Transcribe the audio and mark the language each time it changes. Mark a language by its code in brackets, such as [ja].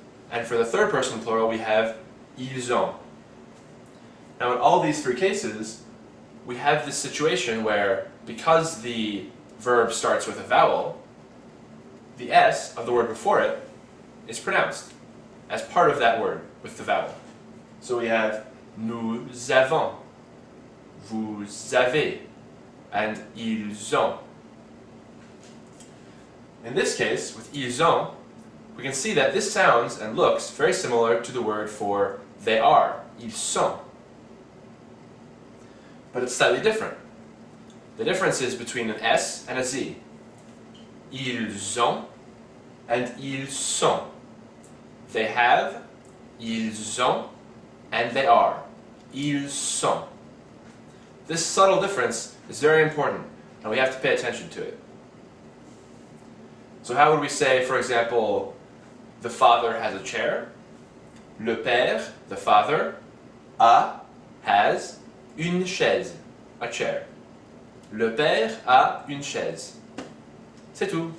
[en] And for the third person plural, we have [fr] ils ont. [en] Now, in all these three cases, we have this situation where, because the verb starts with a vowel, the S of the word before it is pronounced as part of that word with the vowel. So we have [fr] nous avons, vous avez, [en] and [fr] ils ont. [en] In this case, with [fr] ils ont, [en] we can see that this sounds and looks very similar to the word for they are, [fr] ils sont. [en] But it's slightly different. The difference is between an S and a Z. [fr] Ils ont [en] and [fr] ils sont. [en] They have, [fr] ils ont, [en] and they are, ils sont. This subtle difference is very important, and we have to pay attention to it. So how would we say, for example, the father has a chair? [fr] Le père, [en] the father, [fr] a, [en] has, [fr] une chaise, [en] a chair. [fr] Le père a une chaise. C'est tout.